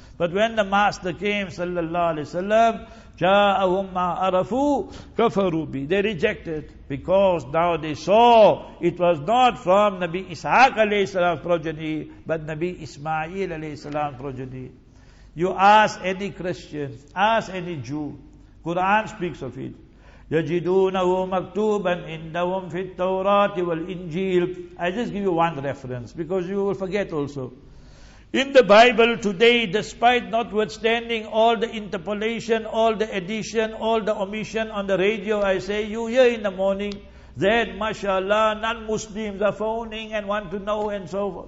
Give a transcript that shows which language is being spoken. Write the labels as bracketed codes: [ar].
[en] But when the master came sallallahu alaihi wasallam, [ar] جاءهم ما عرفوا كفروا بي. [en] They rejected, because now they saw it was not from Nabi Ishaq alayhi salam's progeny, but Nabi Ismail alayhi salam's progeny. You ask any Christian, ask any Jew, Quran speaks of it. [ar] يجدونه مكتوبا عندهم في التوراة والإنجيل. [en] I just give you one reference, because you will forget also. In the Bible today, despite notwithstanding all the interpolation, all the addition, all the omission on the radio, I say, you hear in the morning that, mashallah, non-Muslims are phoning and want to know and so forth.